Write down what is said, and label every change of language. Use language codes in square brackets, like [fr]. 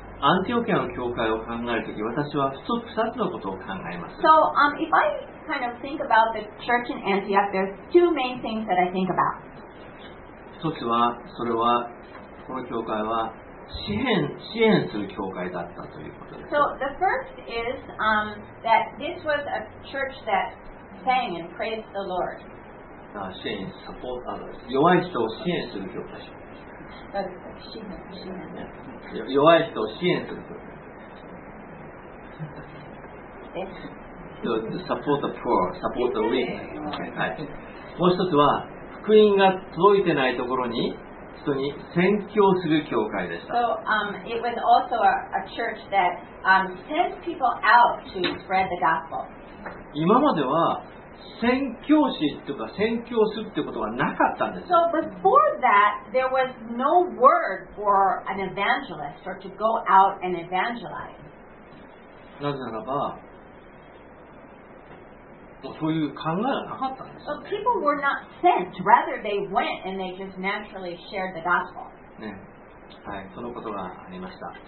[ja] Antiochian 教会を考えるとき、私は2つのことを考えます。 [en] So if I kind of think about the church in Antioch, there's two main things that I think about. [ja] 一つはそれはこの教会は支援する教会だったということです。 [en] So the first is that this was a church that sang and praised the Lord. [ja] 支援、サポーターです。弱い人を支援する教会。支援。弱い人を支援する教会。 [en] Support the poor, support the weak. [ja] はい。もう一つは福音が届いてないところに。人に宣教する教会でした。 [en] So, it was also a church that, sent people out to spread the gospel. [ja] 今までは宣教師とか宣教するってことはなかったんです。 [en] So, before that, there was no word for an evangelist or to go out and evangelize. [ja] なぜならば、そういう考えはなかったんです。 [en] But people were not sent. Rather, they went and they just naturally shared the gospel. [ja] ね、はい、そのことがありました。